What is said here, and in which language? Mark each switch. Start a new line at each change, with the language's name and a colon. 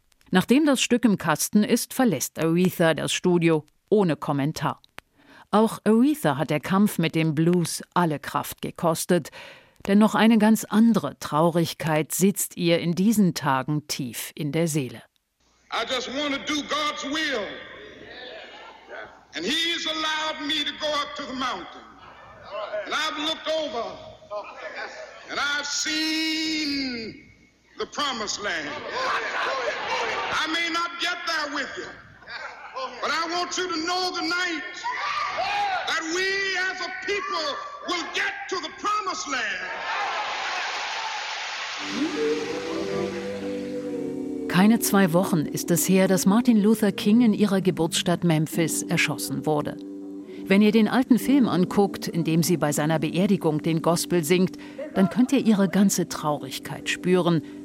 German: Nachdem das Stück im Kasten ist, verlässt Aretha das Studio ohne Kommentar. Auch Aretha hat der Kampf mit dem Blues alle Kraft gekostet. Denn noch eine ganz andere Traurigkeit sitzt ihr in diesen Tagen tief in der Seele.
English: I just want to do God's will. And he's allowed me to go up to the mountain. And I've looked over. And I've seen the promised land. I may not get there with you. But I want you to know tonight that we as a people will get to the promised land.
German: Keine 2 Wochen ist es her, dass Martin Luther King in ihrer Geburtsstadt Memphis erschossen wurde. Wenn ihr den alten Film anguckt, in dem sie bei seiner Beerdigung den Gospel singt, dann könnt ihr ihre ganze Traurigkeit spüren.